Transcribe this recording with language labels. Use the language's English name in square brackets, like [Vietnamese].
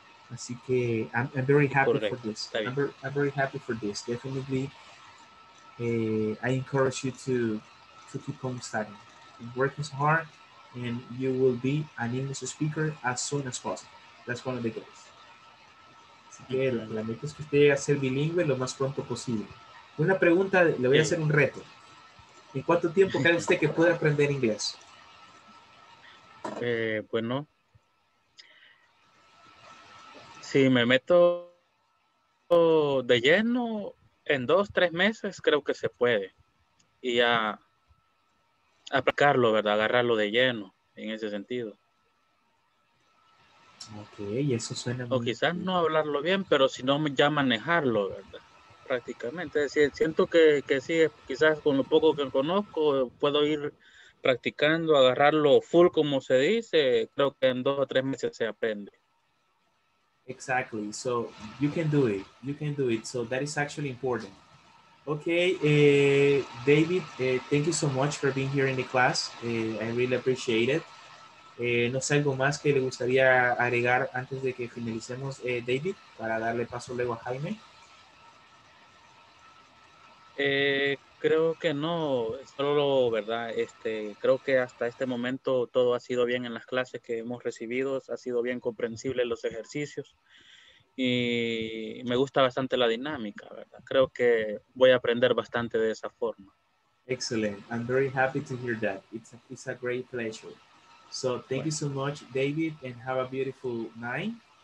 [Spanish] Así que, [English] I'm very happy correcto. For this. I'm very happy for this. Definitely, I encourage you to keep on studying. Work as hard, and you will be an English speaker as soon as possible. That's one of the goals. [Spanish] Así que la meta es que usted llegue a ser bilingüe lo más pronto posible. Una pregunta, le voy a hacer un reto. ¿En cuánto tiempo cree usted que puede aprender inglés? Bueno, si me meto de lleno, en 2-3 meses creo que se puede. Y a aplicarlo, ¿verdad? Agarrarlo de lleno en ese sentido. Ok, y eso suena o muy... quizás no hablarlo bien, pero si no ya manejarlo, ¿verdad? Prácticamente. Es decir, siento que sí, quizás con lo poco que conozco, puedo ir practicando, agarrarlo full, como se dice, creo que en 2 o 3 meses se aprende. [English] Exactly. So you can do it. You can do it. So that is actually important. Okay, David, thank you so much for being here in the class. I really appreciate it. [Spanish] No sé, algo más que le gustaría agregar antes de que finalicemos, David, para darle paso luego a Jaime. Creo que no, solo, ¿verdad? Creo que hasta este momento todo ha sido bien en las clases que hemos recibido, ha sido bien comprensible los ejercicios y me gusta bastante la dinámica, ¿verdad? Creo que voy a aprender bastante de esa forma. [English] Excellent. I'm very happy to hear that. It's a great pleasure. So, thank you so much, David, and have a beautiful night.